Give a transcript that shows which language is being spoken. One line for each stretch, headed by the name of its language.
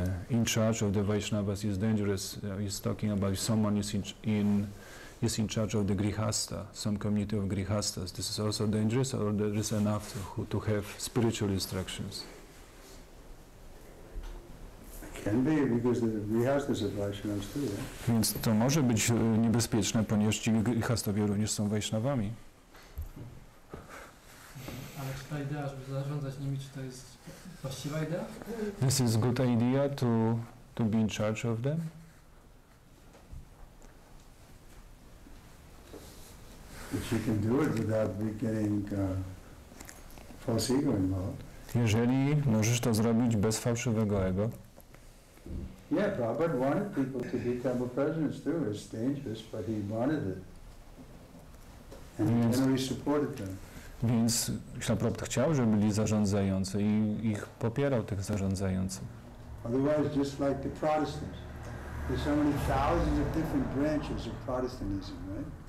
English: in charge of the Vaishnavas is dangerous. He's talking about someone is in charge of the Grihastha, some community of Grihasthas. This is also dangerous, or there is enough to have spiritual instructions? Can be, because the Grihasthas are Vaishnavas too. Yeah?
Polish: Więc to może być niebezpieczne, ponieważ ci Grihasthowie również są Vaishnavami. Ale czy ta idea, żeby zarządzać nimi, czy to jest właściwa idea?
English: This is a good idea to be in charge of them. If you can do it without getting false ego involved.
Polish: Jeżeli możesz to zrobić bez fałszywego ego.
English: Yeah, Prabhupada wanted people to be temple presidents too. It's dangerous, but he wanted it. And he generally supported them.
Polish: Więc Śla Prabhupada chciał, żeby byli zarządzający i ich popierał, tych zarządzających.
English: Otherwise, just like the Protestants, there's so many thousands of different branches of Protestantism, right?